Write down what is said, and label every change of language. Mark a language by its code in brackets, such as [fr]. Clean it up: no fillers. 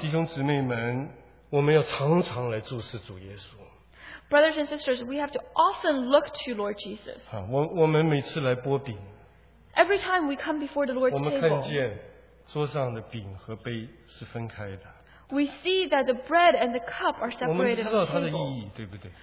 [zh] 弟兄姊妹们, 我们要常常来注视主耶稣。 [en] Brothers and sisters, we have to often look to Lord Jesus. [zh] 我们每次来拨饼, [en] every time we come before the Lord's table, [zh] 我们看见桌上的饼和杯是分开的。 [en] We see that the bread and the cup are separated on the table.